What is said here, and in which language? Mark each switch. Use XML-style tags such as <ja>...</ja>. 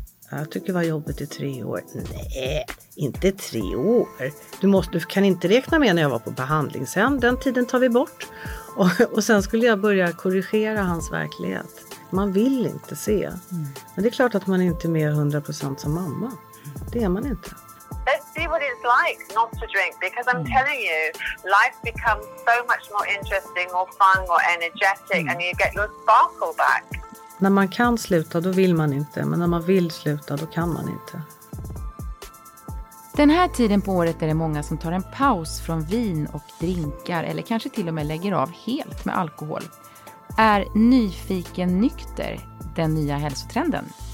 <sv>Jag tycker det var jobbigt i 3 år. Nej, inte 3 år. Du kan inte räkna med när jag var på behandlingshem. Den tiden tar vi bort. Och sen skulle jag börja korrigera hans verklighet. Man vill inte se. Men det är klart att man inte är med 100% som mamma. Det är man inte.</sv> <en>Let's see what it's like not to drink. Because I'm telling you, life becomes so much more interesting, more fun, more energetic. And you get your sparkle back.</en> <sv>När man kan sluta, då vill man inte. Men när man vill sluta, då kan man inte. Den här tiden på året är det många som tar en paus från vin och drinkar. Eller kanske till och med lägger av helt med alkohol. Är nyfiken nykter den nya hälsotrenden?</sv>